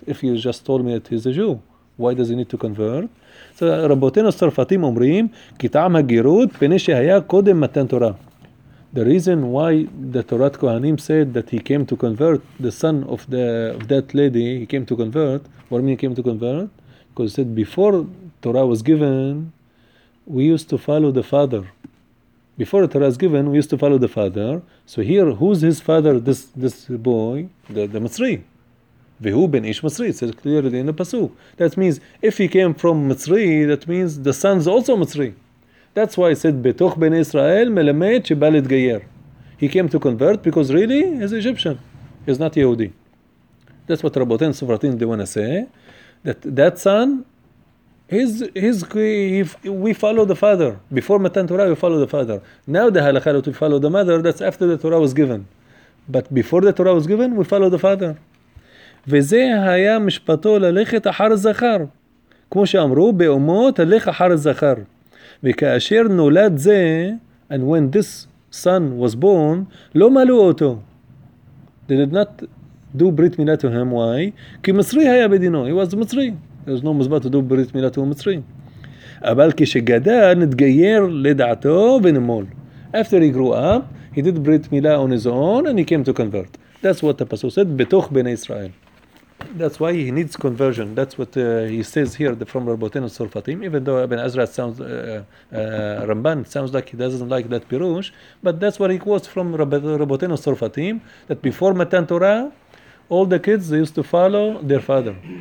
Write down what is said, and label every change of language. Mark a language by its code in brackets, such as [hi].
[en] If you just told me that he's a Jew, why does he need to convert? [he] So רבותינו צרפתים אומרים כי טעם הגירות פני שהיה קודם מתן תורה. [en] The reason why the Torah Kohanim said that he came to convert, the son of that lady, he came to convert. What mean he came to convert? Because he said before Torah was given, we used to follow the father. Before Torah was given, we used to follow the father. So here, who's his father, this boy? The Masri. [he] והוא בן איש מצרי, [en] it says clearly in the pasuk. That means, if he came from מצרי, that means the son is also מצרי. [he] That's why it said, בתוך בן ישראל מלמד שבא להתגייר. [en] He came to convert because really, he's Egyptian. He's not יהודי. That's what רבותינו צרפתים, they want to say, that son, we follow the father. Before מתן תורה, we follow the father. Now the הלכה to follow the mother, that's after the Torah was given. But before the Torah was given, we follow the father. [he] וזה היה משפטו ללכת אחר זכר. כמו שאמרו, באומו תלך אחר זכר. וכאשר נולד זה, [en] and when this son was born, [he] לא מלאו אותו. [en] They did not do brit milah to him, why? [he] כי מצרי היה בדינו, [en] he was [he] מצרי. [en] There was no מצווה to do brit milah to him, מצרי. [he] אבל כשגדל נתגייר לדעתו ונמול. [en] After he grew up, he did brit milah on his own and he came to convert. That's what the pasuk said, [he] בתוך בני ישראל. [en] That's why he needs conversion. That's what he says here from Rabotenu Tzorfatim. Even though Ibn Ezra sounds Ramban, sounds like he doesn't like that Pirush, but that's what he quotes from Rabotenu Tzorfatim, that before Matan Torah, all the kids, they used to follow their father.